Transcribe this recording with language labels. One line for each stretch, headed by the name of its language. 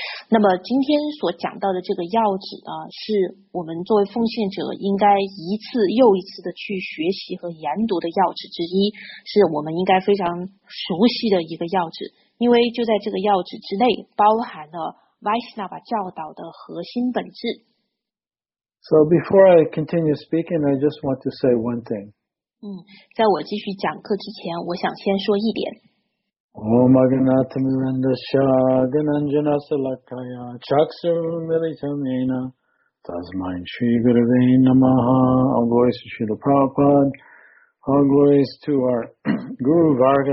Chinese: 那么今天所讲到的这个要旨呢，是我们作为奉献者应该一次又一次的去学习和研读的要旨之一，是我们应该非常熟悉的一个要旨，因为就在这个要旨之内包含了 Vaishnava 教导的核心本质。
English: So before I continue speaking, I just want to say one thing.
Chinese: 在我继续讲课之前，我想先说一点。
Sanskrit: Om Agnata Mirandasya Gananjana Salakaya Chaksur Militamena Tasmai Shri Gurave Namaha.
English: All glories to Srila Prabhupada. All glories to our Guru Varga.